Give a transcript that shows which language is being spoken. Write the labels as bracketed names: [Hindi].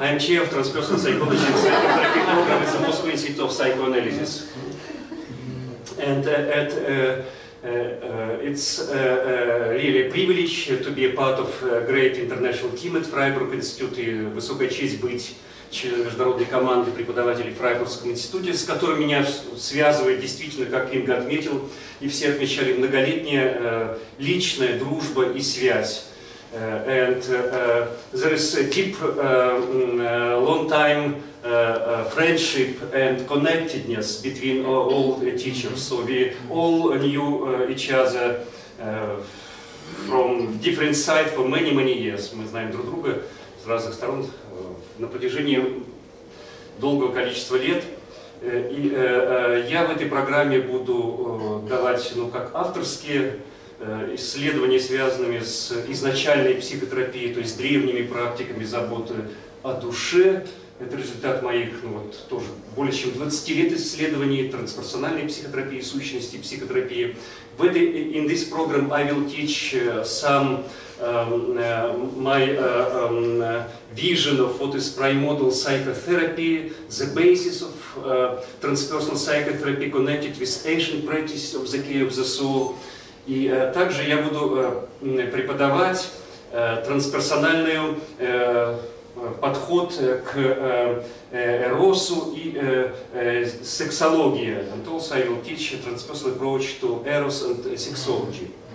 [English] I'm chair of transpersonal psychology and psychotherapy program at Moscow Institute of Psychoanalysis. And it's really a privilege to be a part of a great international team at Freiburg Institute. [Russian] Высокая честь быть членом международной команды преподавателей Фрайбургского института, с которым меня связывает действительно, как Инга отметил, и все отмечали, многолетняя личная дружба и связь. [English] And there is a deep, long time friendship and connectedness between all teachers. So we all knew each other from different sides for many, many years. [Russian] Мы знаем друг друга с разных сторон на протяжении долгого количества лет. И я в этой программе буду давать, как авторские исследования, связанные с изначальной психотерапией, то есть древними практиками заботы о душе. Это результат моих, тоже более чем 20 лет исследований трансперсональной психотерапии, сущности психотерапии. [English] In this program I will teach some my vision of what is primordial psychotherapy, the basis of transpersonal psychotherapy connected with ancient practice of the care of the soul. [Russian] И также я буду преподавать трансперсональный подход к эросу и сексологии. [English] And also I will teach a transpersonal approach to eros and sexology.